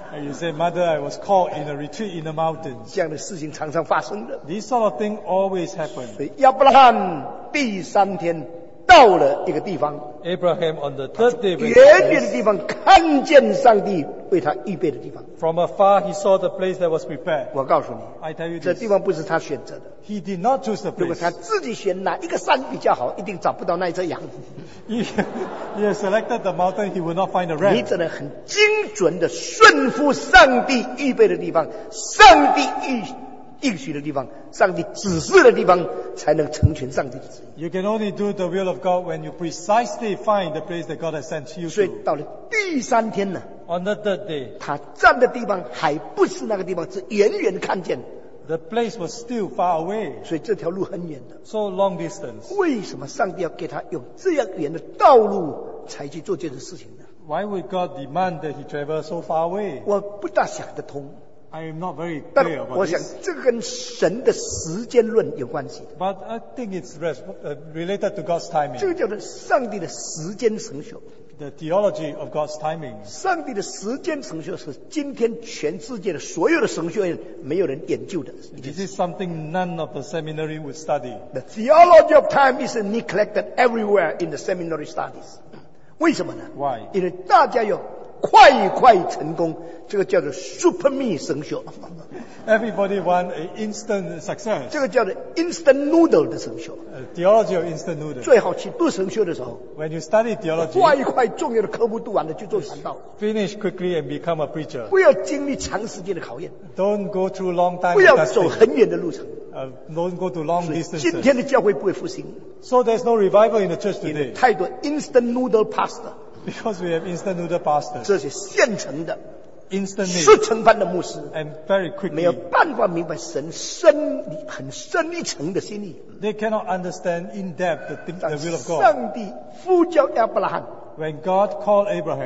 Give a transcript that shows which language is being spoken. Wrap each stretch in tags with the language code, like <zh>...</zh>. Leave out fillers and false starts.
<en>And you say, mother, I was called in a retreat in the mountains.</en> <zh>这样的事情常常发生的。</zh> <en>This sort of thing always happens.</en> <zh>所以亚伯拉罕第三天到了一个地方，</zh> <en>Abraham on the third day,</en> <zh>远远的地方看见上帝为他预备的地方。</zh> <en>From afar, he saw the place that was prepared.</en> <zh>我告诉你，</zh> <en>I tell you this,</en> <zh>这地方不是他选择的。</zh> <en>He did not choose the place.</en> <zh>如果他自己选哪一个山比较好，一定找不到那一只羊。</zh> <en>He selected the mountain, he would not find the ram.</en> <zh>你只能很精准的顺服上帝预备的地方，上帝应许的地方，上帝指示的地方，才能成全上帝的旨意。</zh> <en>You can only do the will of God when you precisely find the place that God has sent you to.</en> <zh>所以到了第三天呢</zh> <en>，On the third day，</en> <zh>他站的地方还不是那个地方，是远远看见。</zh> <en>The place was still far away.</en> <zh>所以这条路很远的。</zh> <en>So long distance.</en> <zh>为什么上帝要给他用这样远的道路才去做这件事情呢</zh> <en>？Why would God demand that he travel so far away？</en> <zh>我不大想得通。</zh> <en>I am not very clear about this.</en> <zh>我想这跟神的时间论有关系。</zh> <en>But I think it's related to God's timing.</en> <zh>这个叫做上帝的时间程序。</zh> <en>The theology of God's timing.</en> <zh>上帝的时间程序是今天全世界的所有的神学院没有人研究的。</zh> <en>This is something none of the seminary would study. The theology of time is neglected everywhere in the seminary studies.</en> <zh>为什么呢？</zh> <en>Why?</en> <zh>因为大家有快快成功，这个叫做</zh> <en>super me</en> <zh>神学。</zh> <en>Everybody want an instant success.</en> <zh>这个叫做</zh> <en>instant noodle</en> <zh>的神学。</zh> <en>Theology of instant noodle.</en> <zh>最好去读神学的时候。</zh> <en>When you study theology.</en> <zh>快快重要的科目读完了就做传道。</zh> <en>Finish quickly and become a preacher.</en> <zh>不要经历长时间的考验。</zh> <en>Don't go through long time.</en> <zh>不要走很远的路程。</zh> <en>Don't go to long distances.</en> <zh>今天的教会不会复兴。</zh> <en>So there's no revival in the church today.</en> <zh>太多</zh> <en>instant noodle pastor. Because we have instant noodle pastors.</en> <zh>这是现成的</zh> <en>instantly,</en> <zh>速成班的牧师</zh> <en>and very quickly,</en> <zh>没有办法明白神深很深一层的心意。</zh> <en>They cannot understand in depth the will of God.</en> <zh>上帝呼叫亚伯拉罕</zh> <en>when God called Abraham,</en>